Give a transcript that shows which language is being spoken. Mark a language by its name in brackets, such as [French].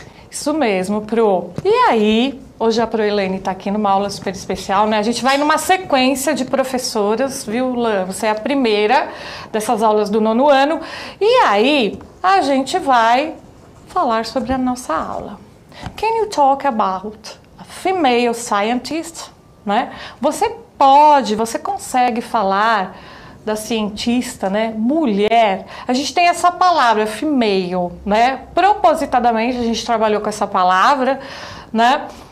[Portuguese] Isso mesmo, Pro. E aí, hoje a Pro Helene está aqui numa aula super especial, né? A gente vai numa sequência de professoras, viu, Lan? Você é a primeira dessas aulas do nono ano. E aí, a gente vai falar sobre a nossa aula. [English] Can you talk about a female scientist? [Portuguese] Né? Você consegue falar da cientista, né? Mulher. A gente tem essa palavra female, né? Propositadamente a gente trabalhou com essa palavra, né?